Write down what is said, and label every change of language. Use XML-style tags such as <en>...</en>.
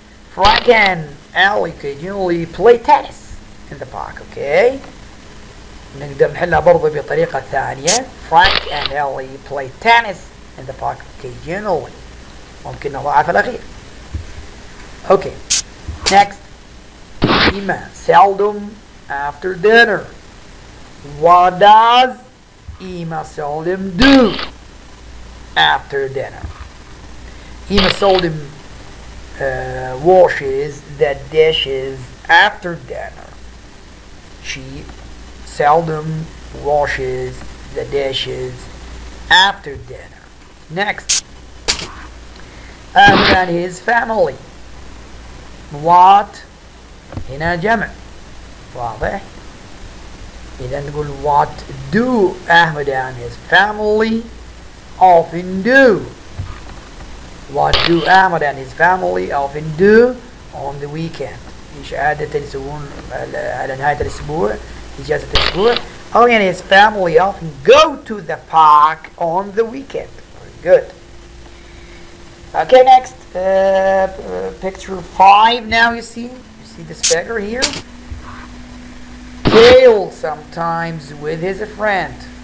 <en>Frank and Ellie occasionally play tennis in the park, okay?</en> <ar>نقدر نحلها برضو بطريقة ثانية.</ar> <en>Frank and Ellie play tennis in the park occasionally.</en> <ar>ممكن نضعف الأخير.</ar> <en>Okay, next. Emma seldom after dinner. What does Emma seldom do after dinner? Emma seldom washes the dishes after dinner. She seldom washes the dishes after dinner. Next. Emma and his family. What?</en> <ar>هنا جمع. واضح؟ إذا نقول</ar> <en>what do Ahmed and his family often do? What do Ahmed and his family often do on the weekend?</en> <ar>إيش عادة يسوون على نهاية الأسبوع؟ إجازة الأسبوع.</ar> <en>Ahmed and his family often go to the park on the weekend. Very good. Okay, next. Picture 5 now, you see? You see this figure here? Kale sometimes with his friend.</en>